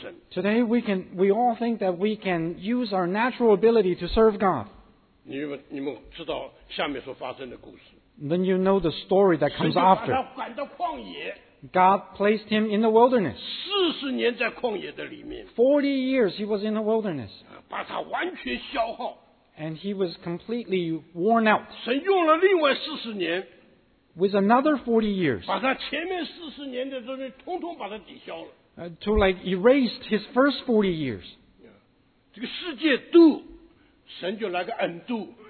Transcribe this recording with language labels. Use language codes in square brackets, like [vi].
[en] today we all think that we can use our natural ability to serve God. [zh] 你们知道下面所发生的故事, [en] then you know the story that comes after. [zh] 神就把他赶到旷野, [en] God placed him in the wilderness. [zh] 40年在旷野的里面, [en] 40 years he was in the wilderness. [zh] 把他完全消耗, [en] and he was completely worn out. [zh] 神用了另外40年, [en] with another 40 years, [zh] 把他前面40年的时候通通把他抵消了, [en] to like erase his first 40 years. [zh] 这个世界度, 神就来个undo.